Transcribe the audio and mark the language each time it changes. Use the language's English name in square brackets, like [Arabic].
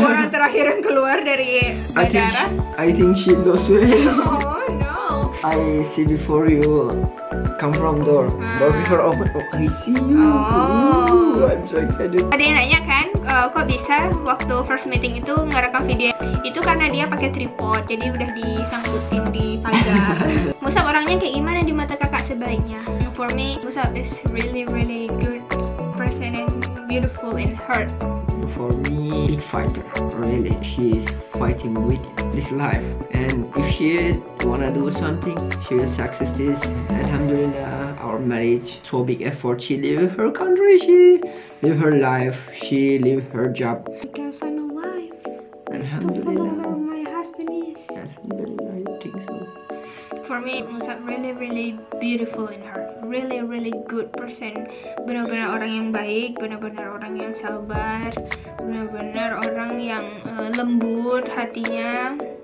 [Indonesian] Aku orang terakhir yang keluar dari bandara. [English] I think she knows where. Oh no. I see before you come from door, but before open, I see you. Oh. Ooh, I'm so excited. [Indonesian] Ada yang nanya kan? Kok bisa waktu first meeting itu ngerekam video? Itu karena dia pakai tripod, jadi udah disangkutin di pagar. Musab orangnya kayak gimana di mata kakak sebaliknya? [English] For me, Musab is really really good person and beautiful in heart. For me, big fighter. Really, she is fighting with this life. And if she wanna do something, she will success this. Alhamdulillah, our marriage, so big effort. She live her country, she live her life, she live her job. Because I'm a wife. [Arabic] Alhamdulillah. [English] To follow where my husband is. Alhamdulillah, I think so. For me, Musab really, really beautiful in her. Really, really good person. [Indonesian] Benar-benar orang yang baik, benar-benar orang yang sabar, benar-benar orang yang lembut hatinya.